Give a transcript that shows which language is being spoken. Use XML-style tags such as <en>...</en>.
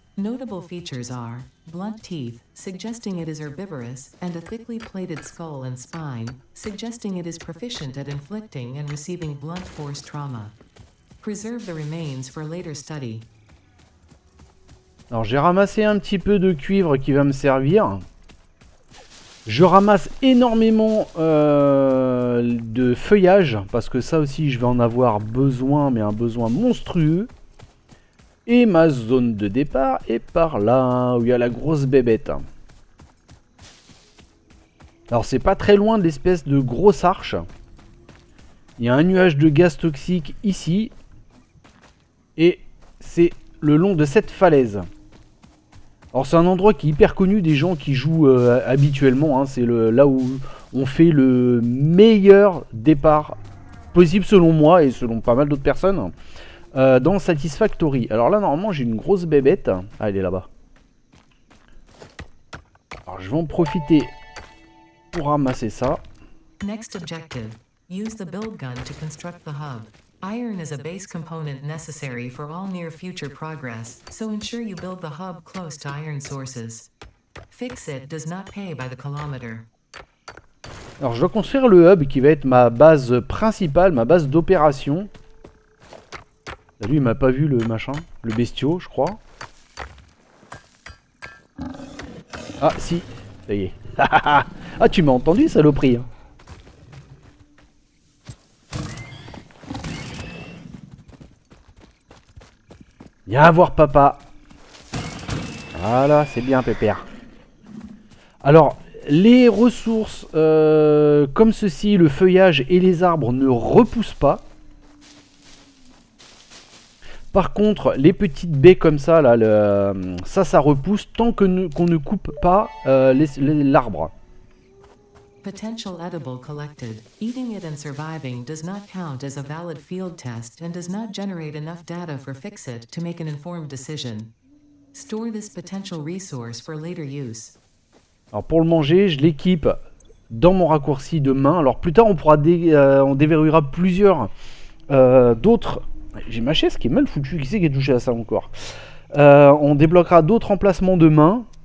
<en>Notable features are blunt teeth, suggesting it is herbivorous, and a thickly plated skull and spine, suggesting it is proficient at inflicting and receiving blunt force trauma. Preserve the remains for later study.</en> <fr>Alors j'ai ramassé un petit peu de cuivre qui va me servir. Je ramasse énormément de feuillage, parce que ça aussi je vais en avoir besoin, mais un besoin monstrueux. Et ma zone de départ est par là, où il y a la grosse bébête. Alors c'est pas très loin de l'espèce de grosse arche. Il y a un nuage de gaz toxique ici. Et c'est le long de cette falaise. Alors c'est un endroit qui est hyper connu des gens qui jouent habituellement. Hein. C'est là où on fait le meilleur départ possible selon moi et selon pas mal d'autres personnes. Dans Satisfactory. Alors là normalement j'ai une grosse bébête. Ah elle est là-bas. Alors je vais en profiter pour ramasser ça.</fr> <en>Next objective. Use the build gun to construct the hub. Iron is a base component necessary for all near future progress, so ensure you build the hub close to iron sources. Fix it does not pay by the kilometer.</en> <fr>Alors je dois construire le hub qui va être ma base principale, ma base d'opération. Lui, il m'a pas vu le machin, le bestiau, je crois. Ah, si, ça y est. Ah, tu m'as entendu, saloperie. Viens voir papa. Voilà, c'est bien, pépère. Alors, les ressources comme ceci, le feuillage et les arbres ne repoussent pas. Par contre, les petites baies comme ça, là, ça repousse tant qu'on ne coupe pas l'arbre.</fr> <en>Potential edible collected. Eating it and surviving does not count as a valid field test and does not generate enough data for Fixit to make an informed decision. Store this potential resource for later use.</en> <fr>Alors pour le manger, je l'équipe dans mon raccourci de main. Alors plus tard, on déverrouillera plusieurs d'autres. J'ai ma chaise qui est mal foutue, qui c'est qui a touché à ça encore. On débloquera d'autres emplacements de main.</fr>